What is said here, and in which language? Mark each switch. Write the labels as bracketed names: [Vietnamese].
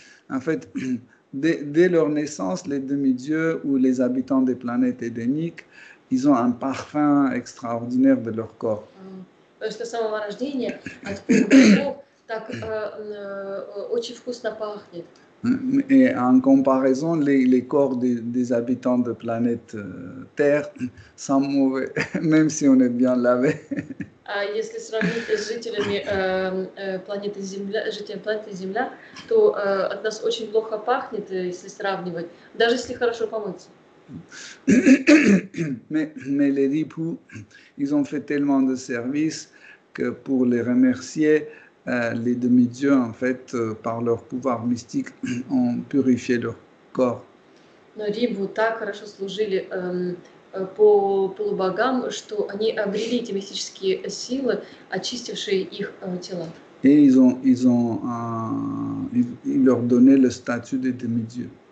[French] En fait, dès leur naissance, les demi-dieux ou les habitants des planètes édéniques, ils ont un parfum extraordinaire de leur corps. [Russian] Потому что с самого рождения от полубогов так очень вкусно пахнет. [French] Et en comparaison, les corps des habitants de planète Terre sont mauvais, même si on est bien lavé. [Russian] А если сравнить с жителями планеты Земля, жителями планеты Земля, то от нас очень плохо пахнет, если сравнивать, даже если хорошо помыться. [French] Mais les Ripu, ils ont fait tellement de services que pour les remercier, les demi-dieux, en fait, par leur pouvoir mystique, ont purifié leur corps. [Russian] Но Рибу так хорошо служили по полубогам, что они обрели эти мистические силы, очистившие их тела. [French] Et ils leur donnaient le statut de demi-dieux.